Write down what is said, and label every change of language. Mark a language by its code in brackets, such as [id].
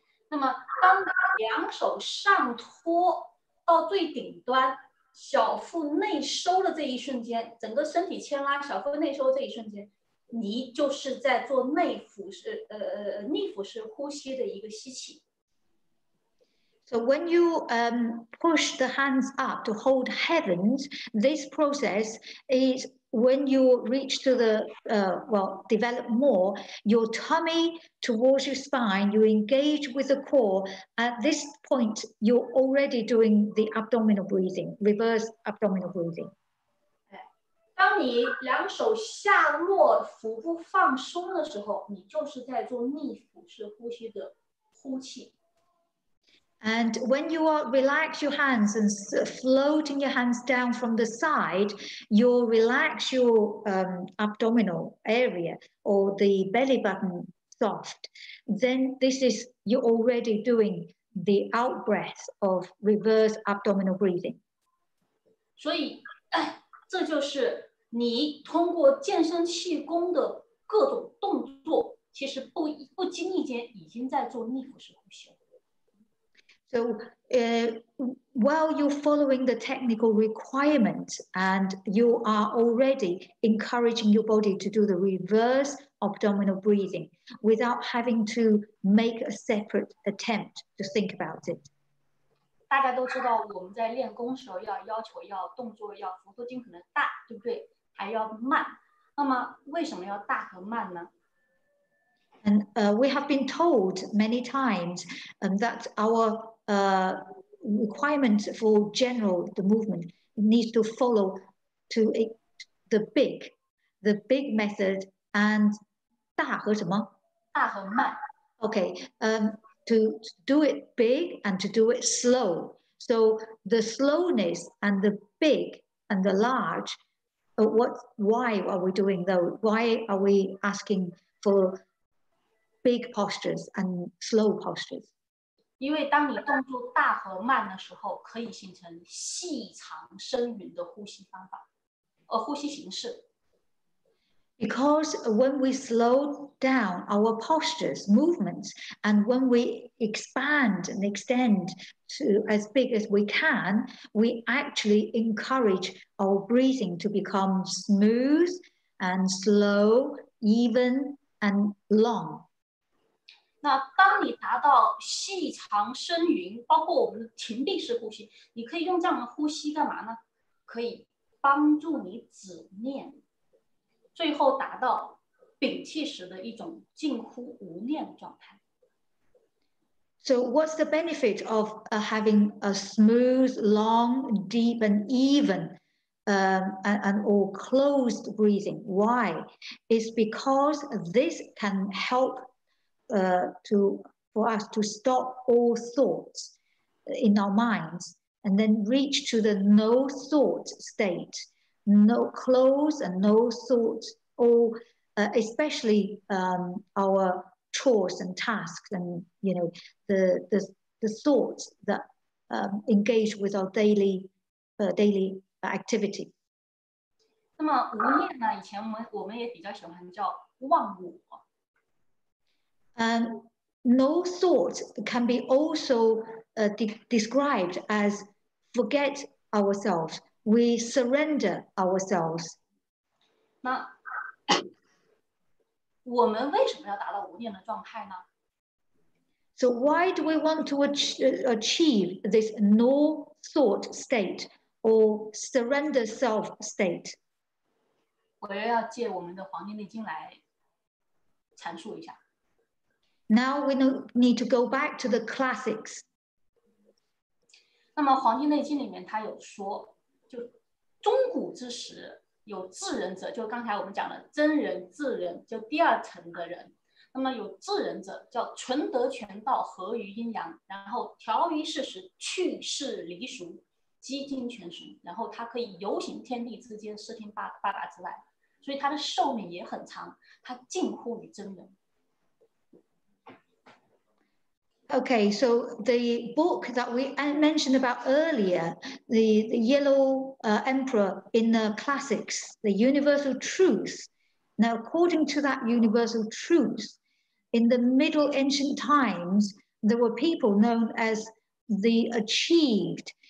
[zh] 那么当两手上托到最顶端，小腹内收的这一瞬间，整个身体牵拉，小腹内收这一瞬间，你就是在做内腹式逆腹式呼吸的一个吸气。 [en] So when you push the hands up to hold heavens, this process is when you reach to the, develop more, your tummy towards your spine, you engage with the core. At this point, you're already doing the abdominal breathing, reverse abdominal breathing. [zh] 当你两手下落，腹部放松的时候，你就是在做逆腹式呼吸的呼气。 [en] And when you are relax your hands and floating your hands down from the side, you'll relax your abdominal area or the belly button soft. Then this is, you're already doing the out breath of reverse abdominal breathing. [zh] 所以，这就是你通过健身气功的各种动作，其实不经意间已经在做逆腹式呼吸。 [en] So while you're following the technical requirements and you are already encouraging your body to do the reverse abdominal breathing without having to make a separate attempt to think about it. [zh] 大家都知道我们在练功时候要求动作要幅度尽可能大，对不对？还要慢。那么为什么要大和慢呢？ [en] And we have been told many times that our requirement for general, the movement needs to follow to the big method and [zh] 大和什么？大和慢。 [en] Okay, to do it big and to do it slow. So the slowness and the big and the large, why are we doing those? Why are we asking for... Big postures and slow postures. [zh] 因为当你动作大和慢的时候，可以形成细长深匀的呼吸方法，呼吸形式。 [en] Because when we slow down our postures, movements, and when we expand and extend to as big as we can, we actually encourage our breathing to become smooth and slow, even and long. [zh] 那当你达到细长深匀，包括我们的停闭式呼吸，你可以用这样的呼吸干嘛呢？可以帮助你止念，最后达到屏气时的一种近乎无念的状态。 [en] So what's the benefit of having a smooth, long, deep, and even, and or closed breathing? Why? It's because this can help. For us to stop all thoughts in our minds and then reach to the no thought state, no clothes and no thoughts, or especially our chores and tasks and, you know, the thoughts that engage with our daily activity. [zh] 那么无念呢，以前我们也比较喜欢叫忘我。 [en] No thought can be also described as forget ourselves. We surrender ourselves. [zh] 那我们为什么要达到无念的状态呢？ [en] So why do we want to achieve this no thought state or surrender self state? [zh] 我要借我们的《黄帝内经》来阐述一下。 [en] Now we need to go back to the classics. [zh] 那么《黄帝内经》里面他有说，就中古之时有智人者，就刚才我们讲的真人、智人，就第二层的人。那么有智人者叫纯得全道，合于阴阳，然后调于事时，去世离俗，积精全神，然后他可以游行天地之间，视听八大之外，所以他的寿命也很长，他近乎于真人。 [en] Okay, so the book that we mentioned about earlier, the Yellow Emperor in the classics, the Universal Truth. Now, according to that Universal Truth, in the Middle Ancient Times, there were people known as the achieved.